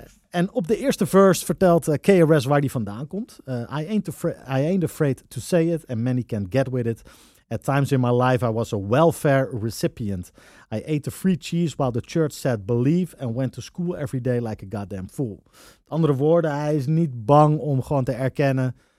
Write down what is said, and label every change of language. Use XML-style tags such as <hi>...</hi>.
<nl>En op de eerste verse vertelt KRS waar die vandaan komt.</nl> <en>I ain't afraid to say it and many can't get with it. At times in my life, I was a welfare recipient. I ate the free cheese while the church said believe and went to school every day like a goddamn fool.</en> <nl>Met andere woorden, hij is niet bang om gewoon te erkennen.</nl>